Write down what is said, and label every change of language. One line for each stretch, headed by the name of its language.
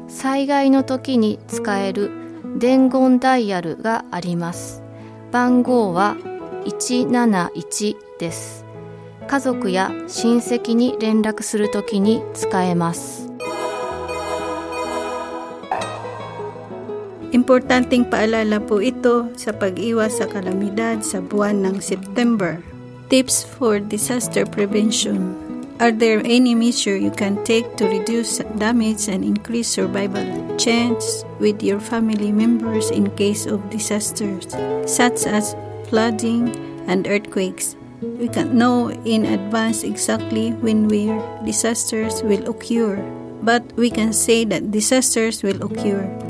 Japanese: 災害の時に使える伝言ダイヤルがあります。番号は171です。家族や親戚に連絡する時に使えます。
Filipino: Importanteng paalala po ito sa pag-iwas sa kalamidad sa buwan ng September.
English: Tips for disaster prevention. Are there any measure you can take to reduce damage and increase survival chance with your family members in case of disasters, such as flooding and earthquakes? We can't know in advance exactly when where disasters will occur, but we can say that disasters will occur.